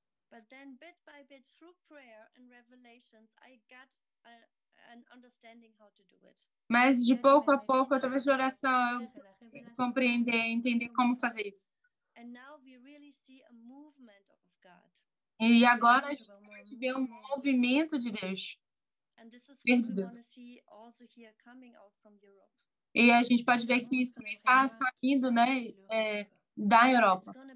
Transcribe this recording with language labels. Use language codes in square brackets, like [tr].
[en] But then bit by bit through prayer and revelations I got an understanding how to do it. [pt] Mas de pouco a pouco, através de oração, eu compreendi, entendi como fazer isso. [en] And now we really see a movement of God. [pt] E agora a gente vê um movimento de Deus. [en] And this is what we want to see also here coming out from Europe. [pt] E a gente pode ver que isso também está saindo, né, da Europa.